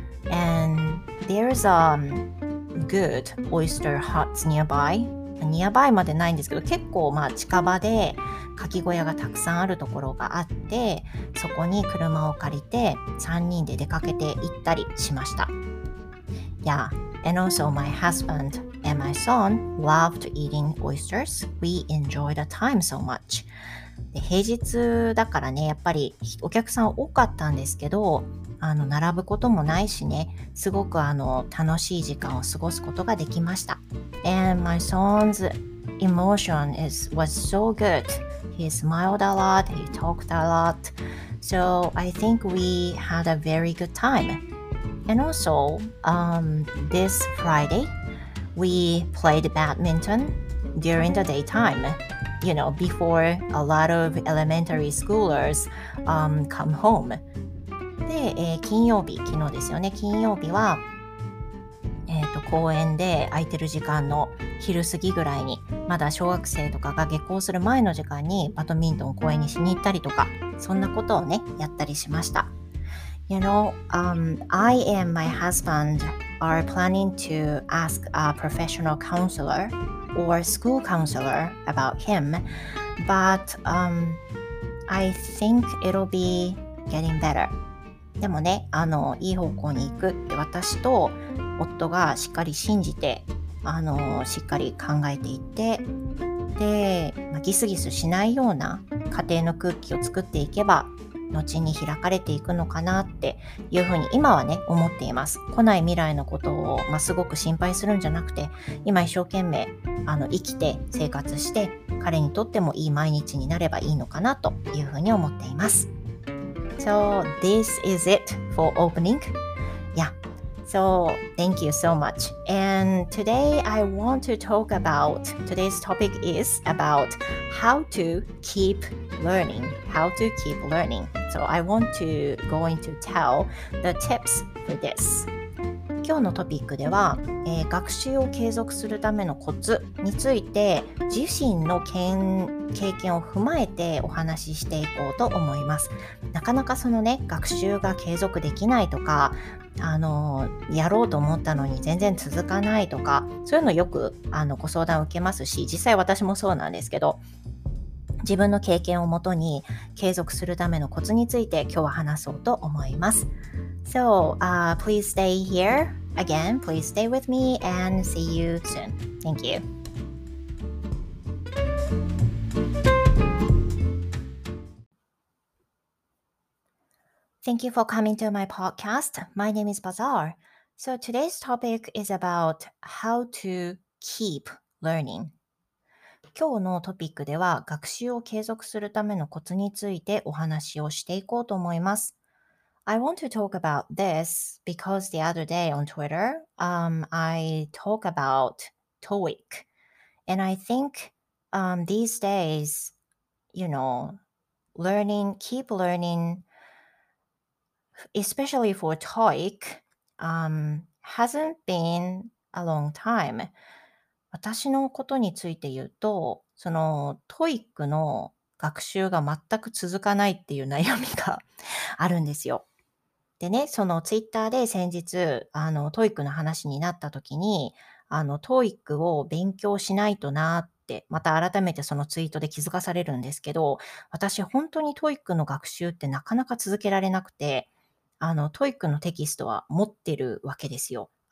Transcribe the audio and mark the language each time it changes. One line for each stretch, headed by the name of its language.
English: And there's a good Oyster Hut nearby.
Japanese: Nearby までないんですけど、結構まあ近場でかき小屋がたくさんあるところがあって、そこに車を借りて3人で出かけて行ったりしました。
English: Yeah, and also my husband and my son loved eating oysters. We enjoyed the time so much.
Japanese: で平日だからね、やっぱりお客さん多かったんですけど、並ぶこともないしね、すごく楽しい時間を過ごすことができました。
English: And my son's emotion was so good. He smiled a lot, he talked a lot. So I think we had a very good time. And also, this Friday, we played badminton during the daytime. You know, before a lot of elementary schoolers come home.
Japanese: で、金曜日、昨日ですよね、金曜日は公園で空いてる時間の昼過ぎぐらいに、まだ小学生とかが下校する前の時間にバドミントンを公園にしに行ったりとか、そんなことをね、やったりしました。
English: You know, I and my husband are planning to ask a professional counselor or school counselor about him, but I think it'll be getting better.
Japanese: でもね、いい方向に行くって私と夫がしっかり信じて、しっかり考えていって、で、まあ、ギスギスしないような家庭の空気を作っていけば、後に開かれていくのかなっていうふうに今はね、思っています。来ない未来のことを、まあ、すごく心配するんじゃなくて、今一生懸命、生きて生活して、彼にとってもいい毎日になればいいのかなというふうに思っています。
English: So this is it for opening. Yeah. So thank you so much. And today I want to talk about, today's topic is about how to keep learning. How to keep learning. So I want to go into tell the tips for this.
Japanese: 今日のトピックでは、学習を継続するためのコツについて自身の経験を踏まえてお話ししていこうと思います。なかなかそのね、学習が継続できないとか、やろうと思ったのに全然続かないとか、そういうのよくご相談を受けますし、実際私もそうなんですけど、自分の経験をもとに継続するためのコツについて今日は話そうと思います。
English: So, please stay here again. Please stay with me and see you soon. Thank you. Thank you for coming to my podcast. My name is Bazaar. So today's topic is about how to keep learning.
Japanese: 今日のトピックでは学習を継続するためのコツについてお話をしていこうと思います。
English: I want to talk about this because the other day on Twitter, I talk about TOEIC. And I think these days, you know, keep learning... especially for TOEIC, hasn't been a long time.
Japanese: 私のことについて言うと、その TOEIC の学習が全く続かないっていう悩みがあるんですよ。でね、その Twitter で先日、TOEIC の話になった時に、TOEIC を勉強しないとなって、また改めてそのツイートで気づかされるんですけど、私本当に TOEIC の学習ってなかなか続けられなくて、TOEIC のテキストは持ってるわけですよ。